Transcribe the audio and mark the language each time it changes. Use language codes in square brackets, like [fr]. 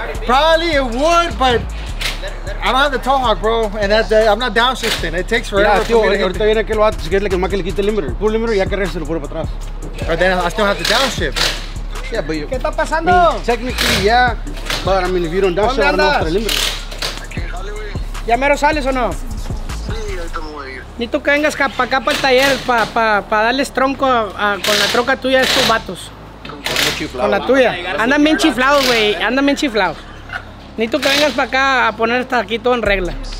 [en] Probably it would, but I don't have the tow hawk, bro. And I'm not downshifting. It takes forever. [es] Yeah, ahorita viene que lo va a seguir, que más que le quite el limiter. Pull limiter y ya que regrese lo pone para atrás. [en] But then I still have to downshift. Yeah, but you. [es] ¿Qué está pasando? [en] Technically, yeah. But I mean, if you don't downshift, I'm not for the limiter. [es] ¿Ya mero sales o no? Sí, ahorita me voy a ir. Ni tú que vengas para acá para el taller, para darles tronco con la troca tuya a estos vatos. Chiflado. Con la tuya. Andan bien chiflados, güey. Andan bien chiflados. Necesito que vengas para acá a poner hasta aquí todo en regla.